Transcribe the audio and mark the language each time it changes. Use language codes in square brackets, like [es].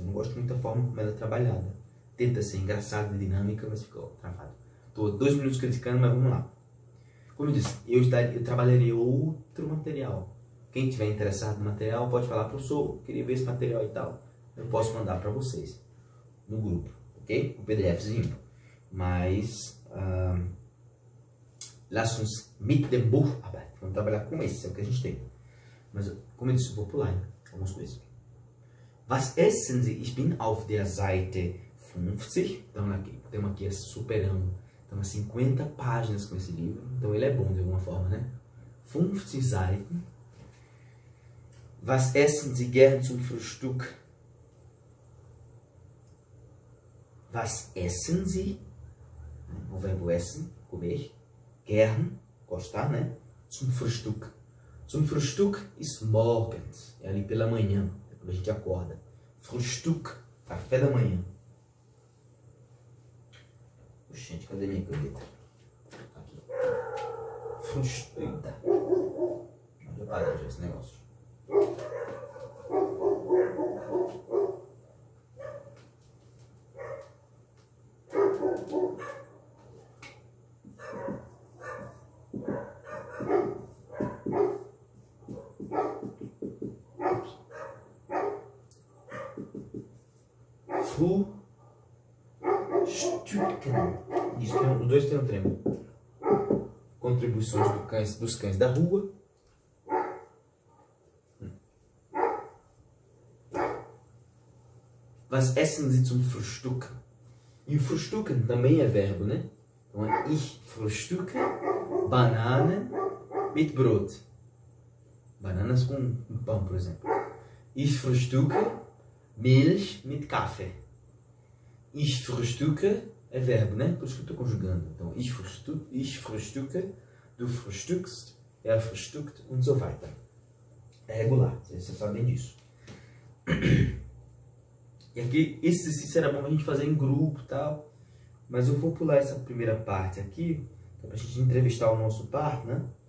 [pt] Eu não gosto muito da forma como ela é trabalhada, tenta ser engraçada e dinâmica, mas ficou travado. Tô 2 minutos criticando, mas vamos lá. Como eu disse, eu trabalharei outro material. Quem tiver interessado no material, pode falar, professor, queria ver esse material e tal. Eu posso mandar para vocês no grupo, ok? O PDFzinho. Mas, [de] lass uns mit dem Buch arbeiten. [pt] Vamos trabalhar com esse, é o que a gente tem. Mas, como eu disse, eu vou pular, hein? Algumas coisas. [de] Was essen Sie? Ich bin auf der Seite 50. [pt] Então, aqui, temos aqui esse superão. Então, 50 páginas com esse livro. Então, ele é bom de alguma forma, né? [de] 50 Seiten. Was essen Sie gern zum Frühstück? Was essen Sie? [pt] O verbo essen, comer. Gern, gostar, né? [de] Zum Frühstück. Zum Frühstück ist morgens. [pt] É ali pela manhã, é quando a gente acorda. Frühstück, café da manhã. Oxente, cadê minha caneta? Aqui. Frühstück. Deixa eu parar já esse negócio. [en] Thank you. [pt] Stuttgart. Isso, tem, os dois têm um tremo. Contribuições do cães, dos cães da rua. [de] Was essen Sie zum Frühstück? [pt] E o Frühstück também é verbo, né? Então é [de] ich frühstücke Bananen mit Brot. [pt] Bananas com pão, por exemplo. [de] Ich frühstücke Milch mit Kaffee. [pt] Ich frühstücke é verbo, né? Por isso que eu estou conjugando. [de] Então, ich frühstücke, du frühstückst, er frühstückt und so weiter. [pt] É regular, vocês sabem disso. E aqui, esse exercício era bom a gente fazer em grupo e tal. Mas eu vou pular essa primeira parte aqui, para a gente entrevistar o nosso par, né?